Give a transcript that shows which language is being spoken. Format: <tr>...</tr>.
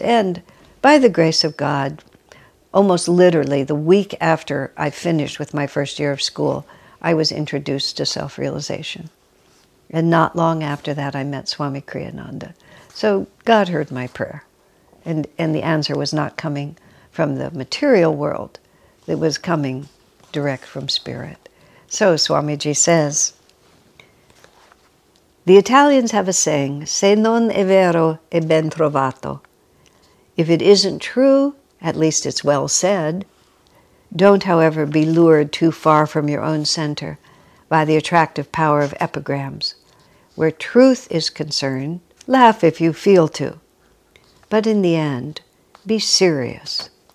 <en>And by the grace of God, almost literally the week after I finished with my first year of school, I was introduced to self-realization. And not long after that, I met Swami Kriyananda. So God heard my prayer. And the answer was not coming from the material world. It was coming direct from spirit. So Swamiji says, the Italians have a saying,</en> <it>se non è vero è ben trovato.</it> <en>If it isn't true, at least it's well said. Don't, however, be lured too far from your own center by the attractive power of epigrams. Where truth is concerned, laugh if you feel to. But in the end, be serious.</en>